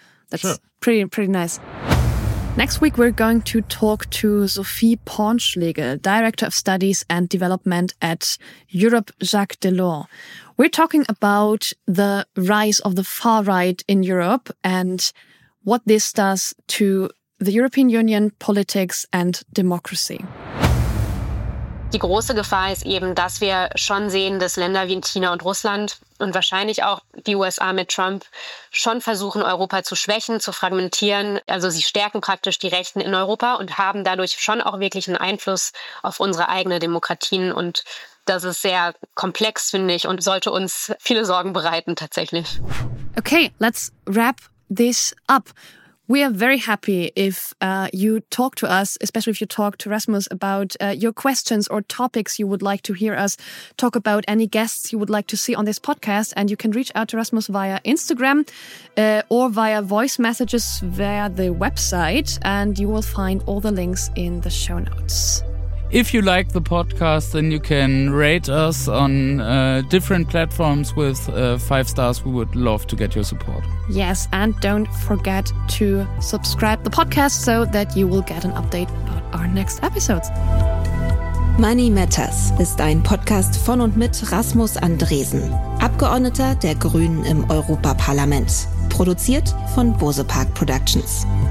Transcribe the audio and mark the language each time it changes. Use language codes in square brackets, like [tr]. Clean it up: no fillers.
[en] That's pretty nice. Next week, we're going to talk to Sophie Pornschlegel, Director of Studies and Development at Europe Jacques Delors. We're talking about the rise of the far right in Europe and what this does to the European Union, politics and democracy. [de] Die große Gefahr ist eben, dass wir schon sehen, dass Länder wie China und Russland und wahrscheinlich auch die USA mit Trump schon versuchen, Europa zu schwächen, zu fragmentieren. Also sie stärken praktisch die Rechten in Europa und haben dadurch schon auch wirklich einen Einfluss auf unsere eigenen Demokratien. Und das ist sehr komplex, finde ich, und sollte uns viele Sorgen bereiten, tatsächlich. [en] Okay, let's wrap this up. We are very happy if you talk to us, especially if you talk to Rasmus about your questions or topics you would like to hear us talk about, any guests you would like to see on this podcast. And you can reach out to Rasmus via Instagram or via voice messages via the website. And you will find all the links in the show notes. If you like the podcast, then you can rate us on different platforms with 5 stars. We would love to get your support. Yes, and don't forget to subscribe the podcast so that you will get an update about our next episodes. [de] Money Matters ist ein Podcast von und mit Rasmus Andresen, Abgeordneter der Grünen im Europaparlament. Produziert von Bosepark Productions.